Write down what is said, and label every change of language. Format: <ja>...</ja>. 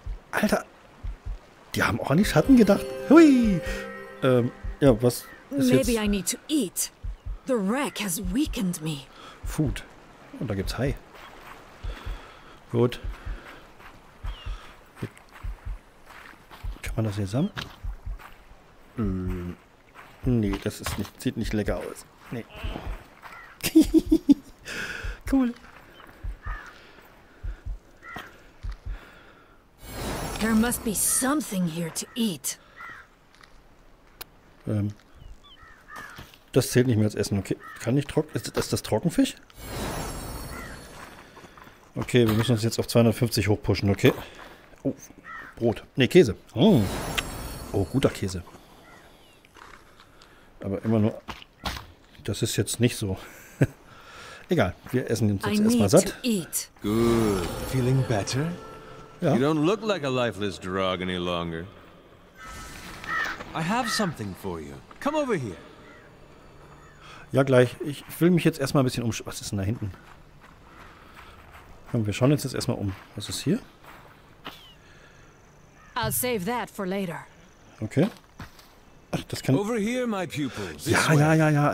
<de>Alter, die haben auch an die Schatten gedacht. Hui! Ja, was ist jetzt?</de> <en>Maybe I need to eat. The wreck has weakened me.</en> <de>Food. Und da gibt's Hai. Gut. Kann man das hier sammeln? Nee, das ist nicht, sieht nicht lecker aus. Nee.</de> <en>Cool. There must be something here to eat.</en> <de>Das zählt nicht mehr als Essen. Okay, kann nicht trocken. Ist das Trockenfisch? Okay, wir müssen uns jetzt auf 250 hochpushen, okay? Oh, Brot. Nee, Käse. Oh, guter Käse. Aber immer nur... Das ist jetzt nicht so. Egal, wir essen uns jetzt erstmal satt.</de> <en>Good. Feeling better?</en> <de>Ja.</de> <en>You don't look like a lifeless drug any longer. I have something for you. Come over here.</en> <de>Ja, gleich. Ich will mich jetzt erstmal ein bisschen umschauen. Was ist denn da hinten? Komm, wir schauen uns jetzt erstmal um. Was ist hier?</de> <en>I'll save that for later.</en> <de>Okay. Ach, das kann...</de> <en>Over here, my pupils.</en> <de>Ja, ja, ja, ja.</de>